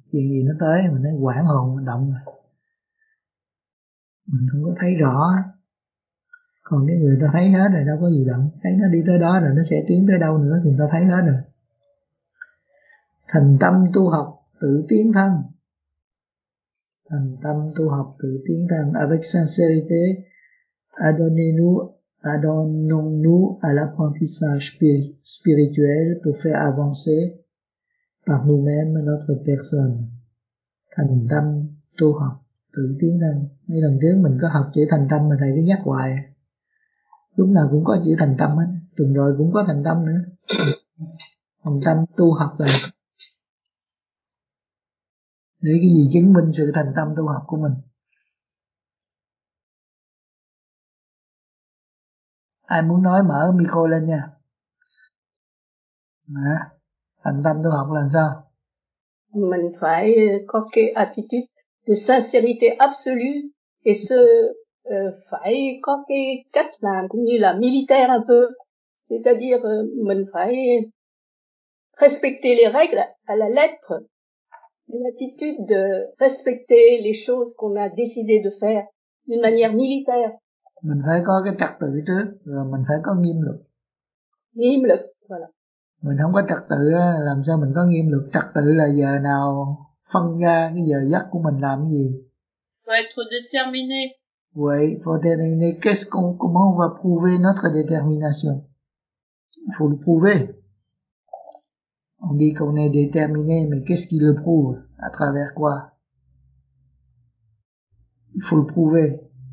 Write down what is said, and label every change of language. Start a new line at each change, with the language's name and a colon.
Vietnamese: Chuyện gì nó tới mình thấy quảng hồn mình động rồi. Mình không có thấy rõ. Còn cái người ta thấy hết rồi, đâu có gì động. Thấy nó đi tới đó rồi nó sẽ tiến tới đâu nữa thì người ta thấy hết rồi. Thành tâm tu học tự tiến thân. Thành tâm tu học tự tiến thân.
French: Avec sincérité, adonnez-nous, adonnons-nous à l'apprentissage spirituel pour faire avancer par nous-mêmes notre personne.
Vietnamese: Thành tâm tu học tự tiến thân. Mấy lần trước mình có học chữ thành tâm mà thầy cứ nhắc hoài. Lúc nào cũng có chữ thành tâm hết. Tuần rồi cũng có thành tâm nữa. Thành tâm tu học là để cái gì chứng minh sự thành tâm tu học của mình? Ai muốn nói mở micro lên nha. Hả? Thành tâm tu học là sao? Mình phải có cái
French: attitude de sincérité absolue et ce
Vietnamese: phải có cái cách làm cũng như là
French: militaire un peu, c'est-à-dire
Vietnamese: mình phải
French: respecter les règles à la lettre. L'attitude de respecter les choses qu'on a décidé de faire d'une manière militaire.
Vietnamese: Mình phải có cái trật tự trước, rồi mình phải có nghiêm luật. Nghiêm luật,
French: voilà.
Vietnamese: Mình không có trật tự, làm sao mình có nghiêm luật? Trật tự là giờ nào phân ra cái giờ giấc của mình làm gì?
French: Faut être déterminé. Oui, faut être déterminé. Qu'est-ce qu'on, comment on va prouver notre détermination? Il faut le prouver. On dit qu'on est déterminé, mais qu'est-ce qui le prouve? À travers quoi? Il faut le prouver.